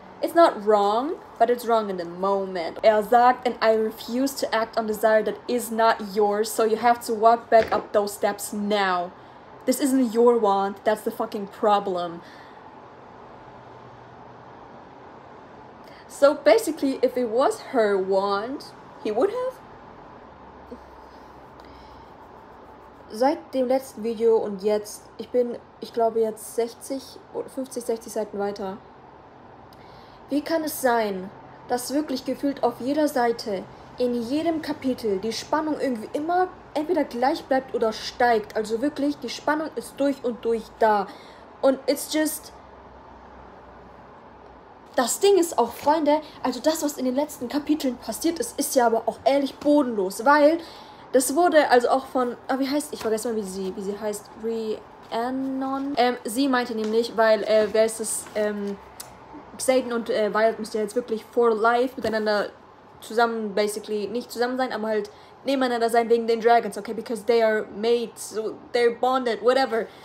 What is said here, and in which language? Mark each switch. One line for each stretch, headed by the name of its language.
English: It's not wrong, but it's wrong in the moment.
German: Er sagt,
English: and I refuse to act on desire that is not yours, so you have to walk back up those steps now. This isn't your want, that's the fucking problem. So basically, if it was her want, he would have?
German: Seit dem letzten Video und jetzt, ich bin, ich glaube jetzt 50, 60 Seiten weiter. Wie kann es sein, dass wirklich gefühlt auf jeder Seite, in jedem Kapitel, die Spannung irgendwie immer entweder gleich bleibt oder steigt? Also wirklich, die Spannung ist durch und durch da. Und
English: it's just...
German: Das Ding ist auch, Freunde, also das, was in den letzten Kapiteln passiert ist, ist ja aber auch ehrlich bodenlos, weil... Das wurde also auch von, wie heißt sie, Rhiannon? Sie meinte nämlich, weil, wer ist das, Xayden und Violet müssen ja jetzt wirklich for life miteinander zusammen, basically, nicht zusammen sein, aber halt nebeneinander sein wegen den Dragons, okay?
English: Because they are mates, so they're bonded, whatever.